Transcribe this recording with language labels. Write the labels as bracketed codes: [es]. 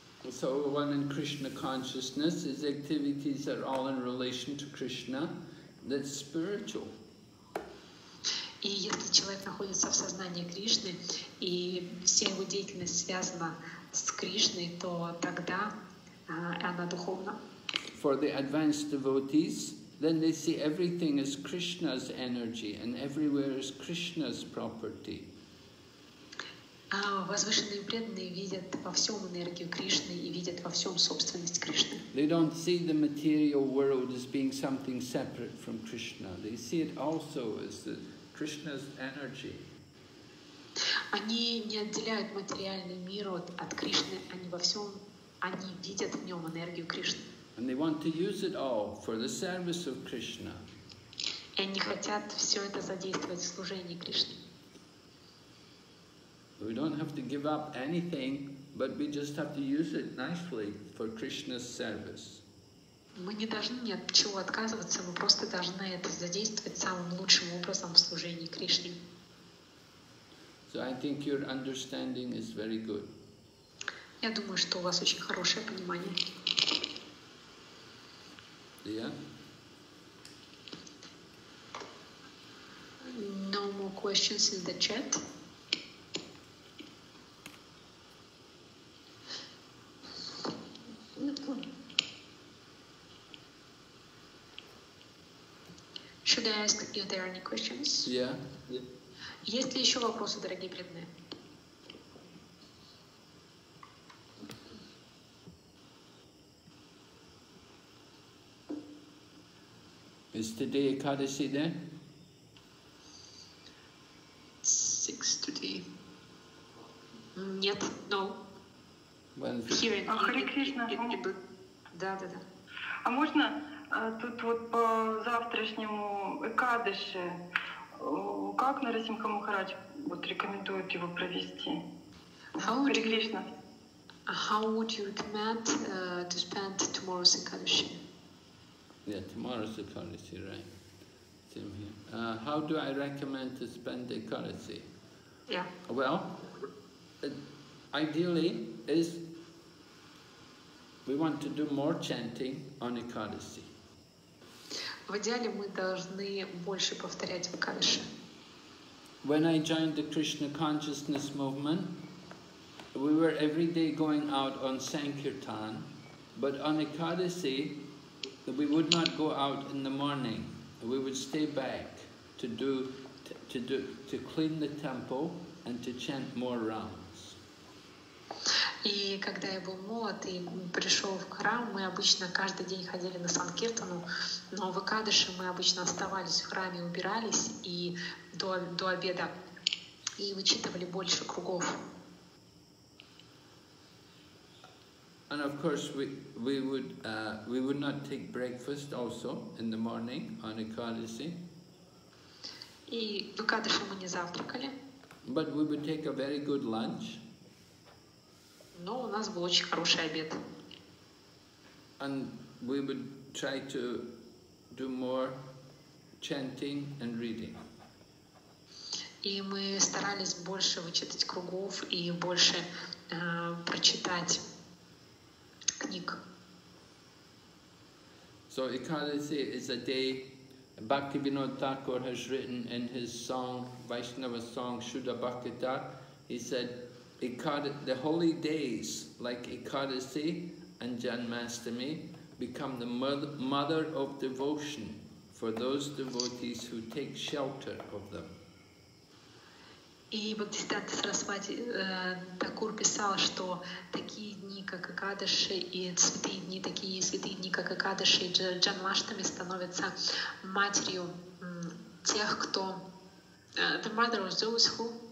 [en] So one in Krishna consciousness, his activities are all in relation to Krishna, that's spiritual. [ru] И если человек находится в сознании Кришны, и вся его деятельность связана с Кришной, то тогда она духовна. [en] For the advanced devotees, then they see everything as Krishna's energy, and everywhere is Krishna's property. [ru] Возвышенные преданные видят во всем энергию Кришны и видят во всем собственность Кришны. [en] They don't see the material world as being something separate from Krishna. They see it also as the Krishna's energy. [ru] Они не отделяют материальный мир от Кришны. Они во всем, они видят в нем энергию Кришны. [en] And they want to use it all for the service of Krishna. [ru] И они хотят все это задействовать в служении Кришне. [en] We don't have to give up anything, but we just have to use it nicely for Krishna's service. [ru] Мы не должны ни от чего отказываться, мы просто должны это задействовать самым лучшим образом в служении Кришне. [en] So I think your understanding is very good. [ru] Я думаю, что у вас очень хорошее понимание. [en] Yeah? No more questions in the chat. Should I ask if there are any questions? Yeah. Yeah. [ru] Есть ли еще вопросы, дорогие преданные? [en] Is today Ekadasi day? Six today. [ru] Нет, [en] no. [ru] Хари Кришна. Да. А можно тут вот по завтрашнему Экадыше, как Нарасимха Махарадж вот рекомендует его провести? Хари Кришна. [en] How would you recommend to spend tomorrow's Ekadashi? Yeah, tomorrow's Ekadashi, right. Same here. How do I recommend to spend Ekadashi? Yeah. Well, ideally, is we want to do more chanting on Ekadashi. [ru] В идеале мы должны больше повторять в Экадаши. [en] When I joined the Krishna Consciousness Movement, we were every day going out on Sankirtan, but on Ekadasi, we would not go out in the morning. We would stay back to clean the temple and to chant more rounds. [ru] И когда я был молод и пришел в храм, мы обычно каждый день ходили на Санкиртану, но в Экадаши мы обычно оставались в храме, убирались и до обеда и вычитывали больше кругов. [en] And of course, we would not take breakfast also in the morning on Ekadasi. [ru] И в Экадаши мы не завтракали. [en] But we would take a very good lunch. [ru] Но у нас был очень хороший обед. [en] And we would try to do more chanting and reading. [ru] И мы старались больше вычитать кругов и больше прочитать. [en] So Ekadasi is a day. Bhaktivinoda Thakur has written in his song, Vaishnava song, Shuddha Bhakta. He said, the holy days like Ekadasi and Janmashtami become the mother of devotion for those devotees who take shelter of them. [ru] И Бхактисиддханта Сарасвати Такур писал, что такие дни, как Экадаши, и святые дни, такие святые дни, как Экадаши, и Джанмаштами становятся матерью тех, кто... [en] The mother of those who...